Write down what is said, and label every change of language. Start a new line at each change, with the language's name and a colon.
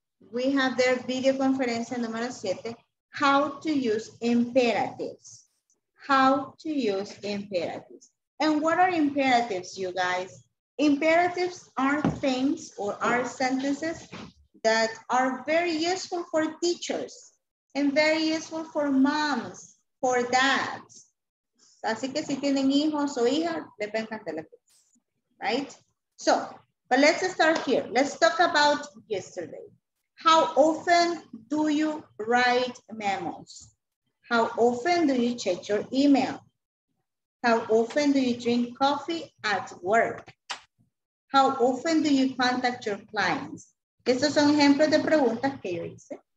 English: We have their
Spanish: video conferencia número 7.
English: How to use imperatives. How to use imperatives. And what are imperatives, you guys? Imperatives are things or are sentences that are very useful for teachers and very useful for moms. For dads.
Spanish: Así que si tienen hijos o hijas, les va a encantar la clase.
English: Right? So, but let's start here. Let's talk about yesterday. How often do you write memos? How often do you check your email? How often do you drink coffee at work? How often do you contact your clients?
Spanish: Estos son ejemplos de preguntas que yo hice.